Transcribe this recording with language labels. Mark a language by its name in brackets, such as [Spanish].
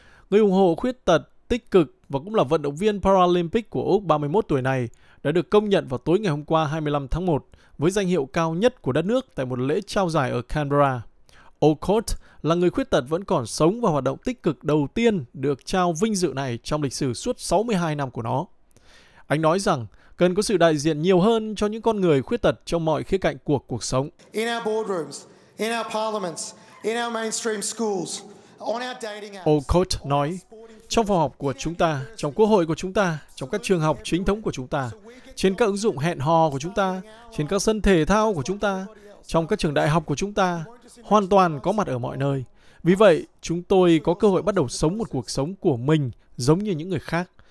[Vietnamese] Người ủng hộ khuyết tật tích cực và cũng là vận động viên Paralympic của Úc 31 tuổi này đã được công nhận vào tối ngày hôm qua 25 tháng 1 với danh hiệu cao nhất của đất nước tại một lễ trao giải ở Canberra. Alcott là người khuyết tật vẫn còn sống và hoạt động tích cực đầu tiên được trao vinh dự này trong lịch sử suốt 62 năm của nó. Anh nói rằng cần có sự đại diện nhiều hơn cho những con người khuyết tật trong mọi khía cạnh của cuộc sống. [English] In our boardrooms, in our parliaments, in our mainstream schools, on our dating apps. [Vietnamese] Alcott nói, trong phòng họp của chúng ta, trong quốc hội của chúng ta, trong các trường học chính thống của chúng ta, trên các ứng dụng hẹn hò của chúng ta, trên các sân thể thao của chúng ta, trong các trường đại học của chúng ta, hoàn toàn có mặt ở mọi nơi. Vì vậy, chúng tôi có cơ hội bắt đầu sống một cuộc sống của mình giống như những người khác.